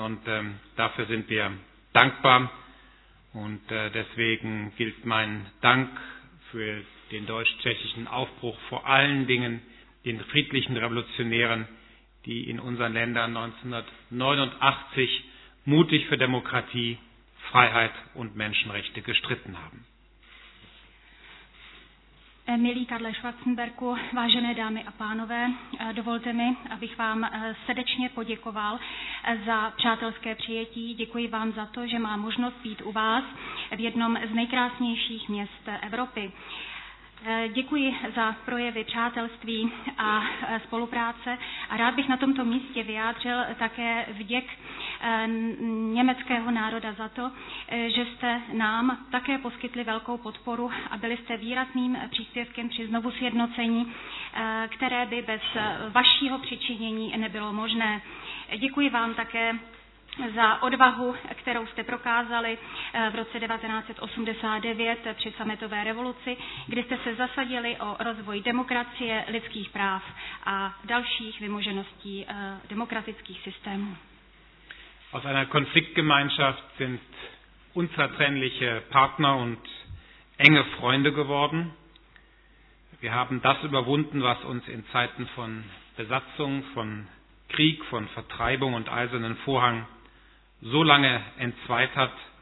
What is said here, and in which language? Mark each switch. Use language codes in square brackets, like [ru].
[de] Und dafür sind wir dankbar. Und deswegen gilt mein Dank für den deutsch-tschechischen Aufbruch, vor allen Dingen den friedlichen Revolutionären, die in unseren Ländern 1989 mutig für Demokratie, Freiheit und Menschenrechte gestritten haben. [cs] Milý Karle Schwarzenberku, vážené dámy a pánové, dovolte mi, abych vám srdečně poděkoval za přátelské přijetí. Děkuji vám za to, že mám možnost být u vás v jednom z nejkrásnějších měst Evropy. Děkuji za projevy přátelství a spolupráce a rád bych na tomto místě vyjádřil také vděk německého národa za to, že jste nám také poskytli velkou podporu a byli jste výrazným příspěvkem při znovu sjednocení, které by bez vašeho přičinění nebylo možné. Děkuji vám také za odvahu, kterou jste prokázali v roce 1989 při sametové revoluci, kdy jste se zasadili o rozvoj demokracie, lidských práv a dalších vymožeností demokratických systémů. [de] Aus einer Konfliktgemeinschaft sind unzertrennliche Partner und enge Freunde geworden. Wir haben das überwunden, was uns in Zeiten von Besatzung, von Krieg, von Vertreibung und eisernen Vorhang so lange entzweit hat.